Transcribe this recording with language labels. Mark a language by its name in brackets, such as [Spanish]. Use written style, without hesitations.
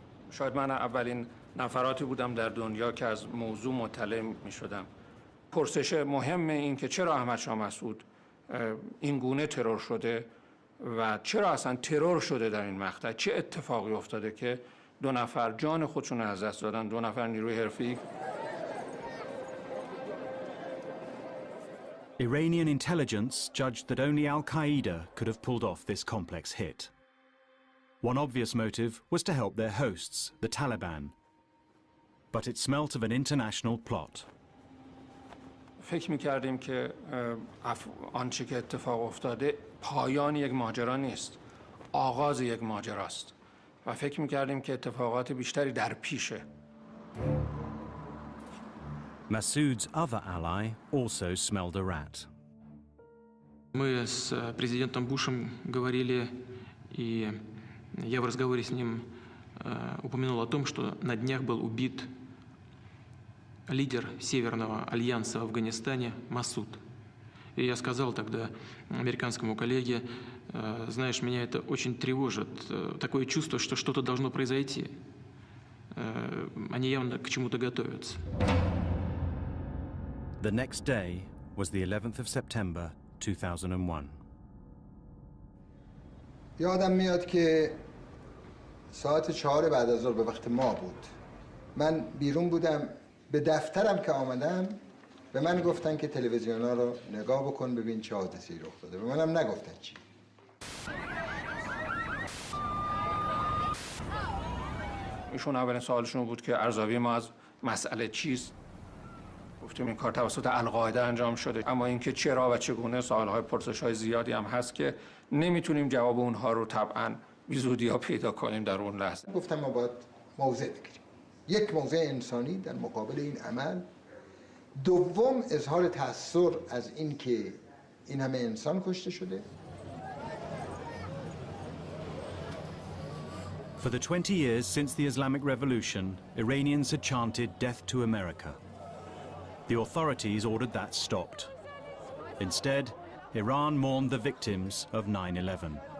[Persian] شاید من اولین نفراتی بودم در دنیا که از موضوع مطلع می‌شدم. پرسش مهم این که چرا احمد شاه مسعود این گونه ترور شده و چرا اصلا ترور شده در این مقطع چه اتفاقی افتاده که دو نفر جان خودشون از دست دادن دو نفر نیروی حرفه‌ای [English] Iranian intelligence judged that only Al-Qaeda could have pulled off this complex hit. One obvious motive was to help their hosts, the Taliban. But it smelt of an international plot. [Persian] فکر می‌کردیم که آنچه که اتفاق افتاده پایان یک ماجرا نیست، آغاز یک ماجرا است. و فکر می‌کردیم که اتفاقات بیشتری در پیشه. [English] Massoud's other ally also smelled a rat. [Russian] Мы с президентом Бушем говорили, и я в разговоре с ним упомянул о том, что на днях был убит лидер Северного альянса в Афганистане Масуд. И я сказал тогда американскому коллеге, знаешь, меня это очень тревожит. Такое чувство, что что-то должно произойти. Они явно к чему-то готовятся. [English] The next day was the 11th of September 2001. [Persian] Ядам میاد که ساعت 4 بعد از ظهر به وقت ما بود. من بیرون بودم به دفترم که آمدم به من گفتن که تلویزیونا رو نگاه بکن ببین چه حادثه‌ای رخ داده. به منم نگفتن چی. ایشون اولین سوالشون بود که ارزیابی ما از مسئله چیست؟ گفتیم این کار توسط القاعده انجام شده. اما اینکه چرا و چگونه سوال‌های پرسش‌های زیادی هم هست که نمیتونیم جواب اونها رو طبعاً بی‌زودی‌ها پیدا کنیم در اون لحظه. گفتم ما باید موضع بگیریم. یک موضع انسانی در مقابل این عمل دوم اظهار تأثیر از این که این همه انسان کشته شده. و [English] For the 20 years since the Islamic Revolution, Iranians had chanted death to America. The authorities ordered that stopped. Instead, Iran mourned the victims of 9/11.